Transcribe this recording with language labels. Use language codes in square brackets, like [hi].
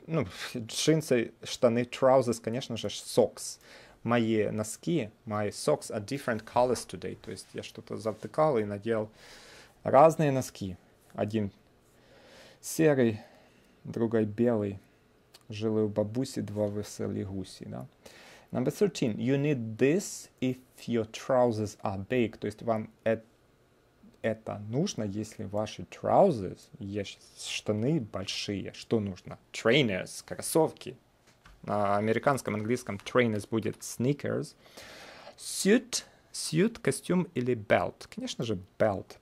[ru] Ну, джинсы, штаны, trousers, конечно же, socks. Мои носки, [en] my socks are different colors today. [ru] То есть я что-то завтыкал и надел разные носки. Один серый, другой белый. Жили у бабуси два веселые гуси, да? Number 13. [en] You need this if your trousers are big. [ru] То есть вам это нужно, если ваши trousers, штаны большие. Что нужно? Trainers, кроссовки. На американском, английском trainers будет sneakers. Suit, suit, костюм или belt. Конечно же, belt.